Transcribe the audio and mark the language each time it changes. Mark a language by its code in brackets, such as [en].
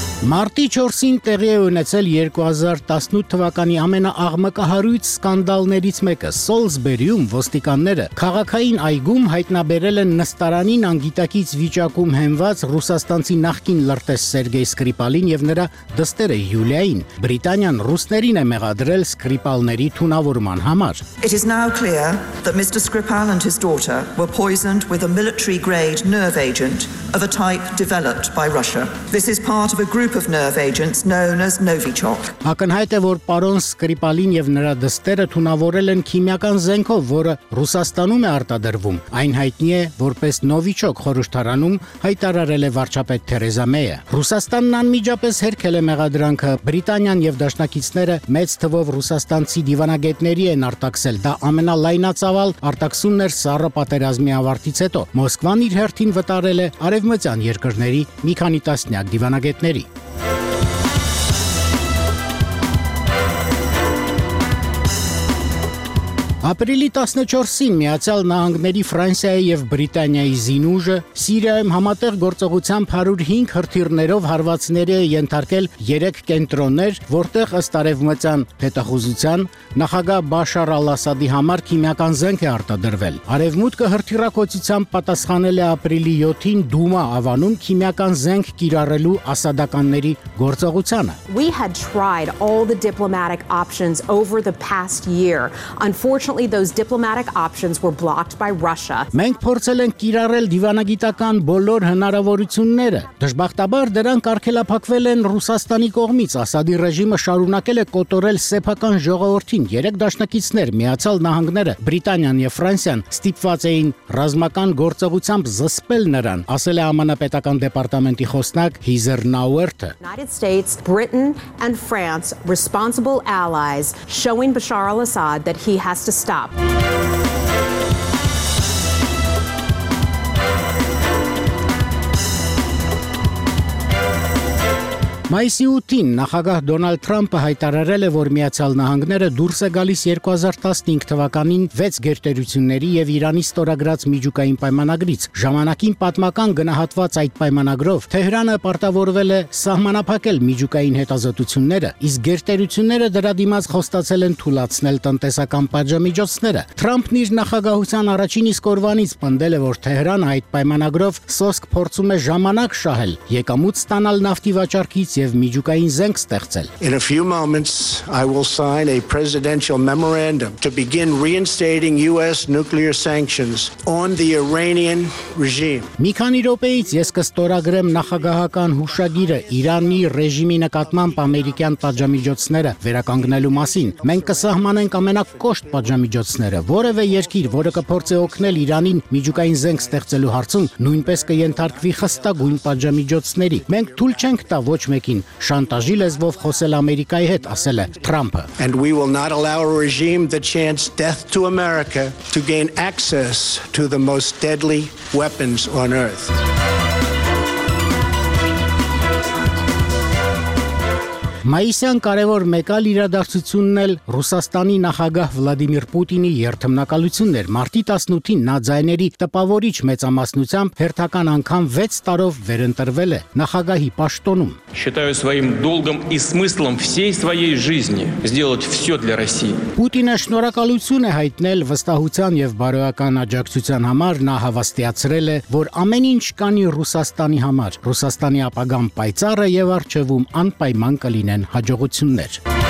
[hy] Մարտի 4-ին տեղի է ունեցել 2018 թվականի ամենաաղմկահարույց սկանդալներից մեկը՝ Սոլսբերիում ոստիկանները քաղաքային այգում հայտնաբերել են նստարանին անգիտակից վիճակում հենված ռուսաստանցի նախկին լրտես Սերգեյ Սկրիպալին և նրա դստերը Յուլիային, բրիտանյան ռուսներին է մեղադրել Սկրիպալների թունավորման համար։ [en] It is now clear that Mr. Skripal and his daughter were poisoned with a military-grade nerve agent of a type developed by Russia. This is part of a group of nerve agents known as Novichok. [hy] Ակնհայտ է, որ պարոն Սկրիպալին և նրա դստերը թունավորել են քիմիական զենքով, որը Ռուսաստանում է արտադրվում։ Այն հայտնի է որպես Novichok խորհրդարանում հայտարարել է վարչապետ Թերեզա Մեյը։ Ռուսաստանն անմիջապես հերքել է մեղադրանքը։ Բրիտանիան և դաշնակիցները մեծ թվով ռուսաստանցի դիվանագետների են արտաքսել։ Դա ամենալայնածավալ արտաքսումն էր սառը պատերազմի ավարտից հետո։ Մոսկվան իր հերթին վտարել է արևմտյան երկրների մի քանի տասնյակ դիվանագետ Neri. Ապրիլի 14-ին Միացյալ Նահանգների Ֆրանսիայի և Բրիտանիայի զինուժը Սիրիայում համատեղ գործողությամբ 105 հրթիռներով հարվածների է ենթարկել 3 կենտրոններ, որտեղ ըստ արևմտյան հետախուզության նախագահ Բաշար Ալ-Ասադի համար քիմիական զենք է արտադրվել։ Արևմուտքը հրթիռակոծությամբ պատասխանել է ապրիլի 7-ին Դումա ավանում քիմիական զենք կիրառելու ասադականների գործողությանը։ [en] We had tried all the diplomatic options over the past year. Unfortunately, those diplomatic options were blocked by Russia. [hy] Մենք փորձել ենք կիրառել դիվանագիտական բոլոր հնարավորությունները։ Դժբախտաբար դրանք արգելափակվել են Ռուսաստանի կողմից։ Ասադի ռեժիմը շարունակել է կոտորել սեփական ժողովրդին։ 3 դաշնակիցներ, Միացյալ Նահանգները, Բրիտանիան և Ֆրանսիան ստիպված էին ռազմական գործողությամբ զսպել նրան, ասել է ԱՄՆ պետական դեպարտամենտի խոսնակ Heather Nauert. [en] United States, Britain and France, responsible allies, showing Bashar al-Assad that he has to stop. [hy] Մայիսի 8-ին նախագահ Դոնալդ Թրամփը հայտարարել է, որ Միացյալ Նահանգները դուրս է գալիս 2015 թվականին 6 գերտերությունների և Իրանի ստորագրած միջուկային պայմանագրից։ Ժամանակին պատմական գնահատված այդ պայմանագրով Թեհրանը պարտավորվել է սահմանափակել միջուկային հետազոտությունները, իսկ գերտերությունները դրա դիմաց խոստացել են թուլացնել տնտեսական պատժամիջոցները։ Թրամփն իր նախագահության առաջին իսկ օրվանից պնդել է, որ Թեհրանը այդ պայմանագրով սոսկ փորձում է ժամանակ շահել, եկամուտ ստանալ նավթի վաճառքի և միջուկային զենք ստեղծել։ [en] In a few moments I will sign a presidential memorandum to begin reinstating US nuclear sanctions on the Iranian regime։ [hy] Մի քանի րոպեից ես կստորագրեմ նախագահական հուշագիրը Իրանի ռեժիմի նկատմամբ ամերիկյան պատժամիջոցները վերականգնելու մասին։ Մենք կսահմանենք ամենակոշտ պատժամիջոցները, որևէ երկիր, որը կփորձի օգնել Իրանին միջուկային զենք ստեղծելու հարցում, նույնպես կենթարկվի խստագույն պատժամիջոցների։ Մենք թույլ չենք տա ոչ մեկին շանտաժի լեզվով խոսել ամերիկայի հետ, ասել է Թրամփը։ [en] And we will not allow a regime that chants death to America to gain access to the most deadly weapons on earth. [hy] Մայիսյան կարևոր մեկ այլ իրադարձությունն էլ Ռուսաստանի նախագահ Վլադիմիր Պուտինի երթմնակալությունն էր։ Մարտի 18-ին նա ձայների տպավորիչ մեծամասնությամբ հերթական անգամ 6 տարով վերընտրվել է նախագահի պաշտոնում։ [ru] Считаю своим долгом и смыслом всей своей жизни сделать всё для России։ [hy] Պուտինը շնորհակալություն է հայտնել վստահության եւ բարոյական աջակցության համար, նա հավաստիացրել է, որ ամեն ինչ կանի Ռուսաստանի համար, Ռուսաստանի ապագան պայծառը եւ արժեվում անպայման կլինեն հաջողություններ։